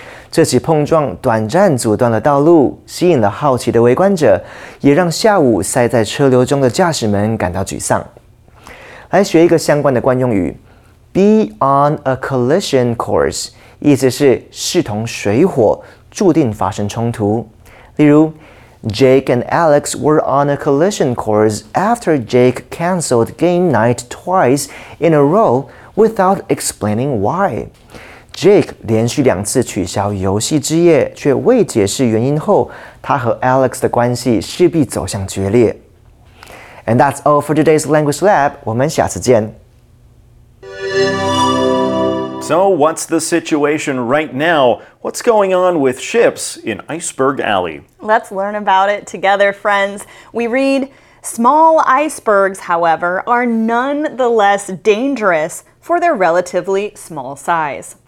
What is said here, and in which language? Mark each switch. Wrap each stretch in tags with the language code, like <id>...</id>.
<zh>这起碰撞短暂阻断了道路，吸引了好奇的围观者，也让下午塞在车流中的驾驶们感到沮丧。来学一个相关的惯用语 ，</zh> <en>be on a collision course，</en> <zh>意思是势同水火，注定发生冲突。例如</zh> <en>，Jake and Alex were on a collision course after Jake canceled game night twice in a row without explaining why。</en> <zh>Jake 连续两次取消游戏之夜，却未解释原因后，他和 Alex 的关系势必走向决裂。</zh> <en>And that's all for today's Language Lab.</en> <zh>我们下次见。</zh> <en>So what's the situation right now? What's going on with ships in Iceberg Alley? Let's learn about it together, friends. We read, small icebergs, however, are nonetheless dangerous for their relatively small size.</en>